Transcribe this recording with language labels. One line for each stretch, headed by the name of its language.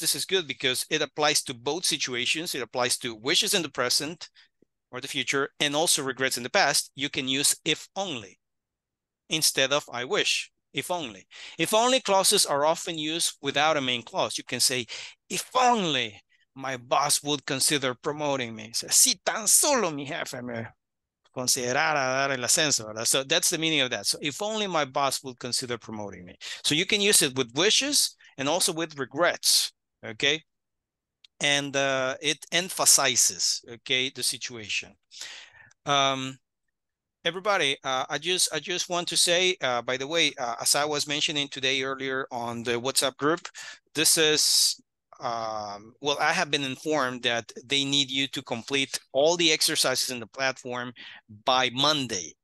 English: This is good because it applies to both situations. It applies to wishes in the present or the future, and also regrets in the past, you can use if only instead of I wish, if only. If only clauses are often used without a main clause. You can say, if only my boss would consider promoting me.
Spanish: Si tan solo mi jefe me considerara dar el ascenso.
English: So that's the meaning of that. So if only my boss would consider promoting me. So you can use it with wishes and also with regrets, okay? And it emphasizes, okay, the situation. Everybody, I just want to say, by the way, as I was mentioning today earlier on the WhatsApp group, this is, well, I have been informed that they need you to complete all the exercises in the platform by Monday.